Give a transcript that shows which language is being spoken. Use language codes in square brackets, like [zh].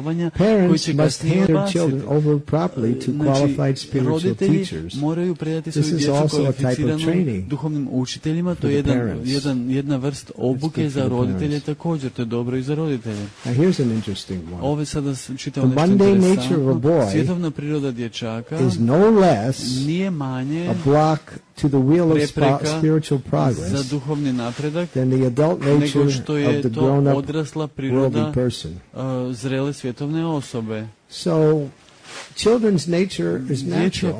[en] Parents must hand their children over properly to qualified spiritual teachers. [hr] Moraju predati svoju djecu kvalificiranim duhovnim učiteljima. To je jedna vrst obuke za roditelje također. To je dobro i za roditelje. [en] Now here's an interesting one. [hr] Ove sada čitam nešto interesantno. Svjetovna priroda dječaka [en] is no less [hr] nije manje [en] a block to the wheel of spiritual progress [hr] za duhovni napredak, [en] than the adult nature of the grown-up worldly person. [hr] Zrele svjetovne osobe. [en] So, children's nature is natural.